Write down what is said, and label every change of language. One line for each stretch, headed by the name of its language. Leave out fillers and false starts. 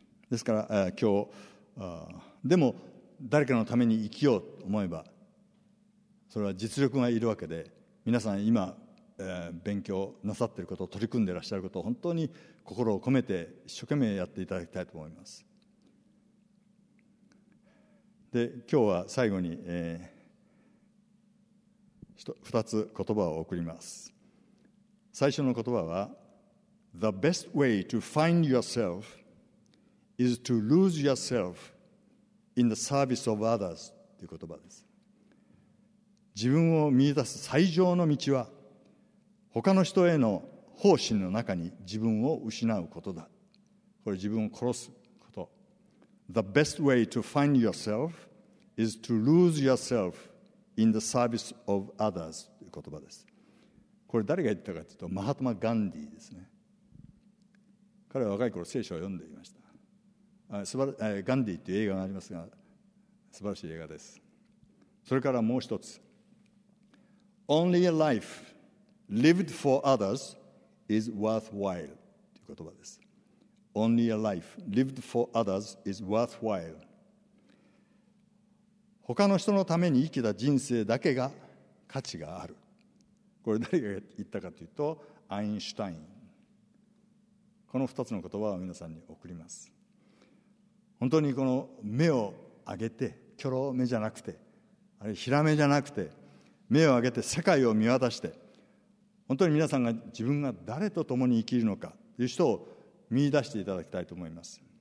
Japanese: ですから今日でも誰かのために生きようと思えば、それは実力がいるわけで、皆さん今勉強なさっていることを、取り組んでいらっしゃることを本当に心を込めて一生懸命やっていただきたいと思います。で、今日は最後に2つ言葉を送ります。最初の言葉は
English: The best way to find yourself is to lose yourself in the service of others
Japanese: という言葉です。自分を見出す最上の道は他の人への奉仕の中に自分を失うことだ。これ、自分を殺すこと。
English: The best way to find yourself is to lose yourself in the service of others
Japanese: という言葉です。これ誰が言ったかというと、マハトマ・ガンディーですね。彼は若い頃聖書を読んでいました。ガンディーという映画がありますが、素晴らしい映画です。それからもう一つ、
English: Only a lifeLived for others is worthwhile
Japanese: という言葉です。
English: Only a life lived for others is worthwhile。
Japanese: 他の人のために生きた人生だけが価値がある。これ誰が言ったかというと、アインシュタイン。この2つの言葉を皆さんに送ります。本当にこの目を上げて、キョロ目じゃなくて、あれヒラ目じゃなくて、目を上げて世界を見渡して、本当に皆さんが自分が誰と共に生きるのかという人を見出していただきたいと思います。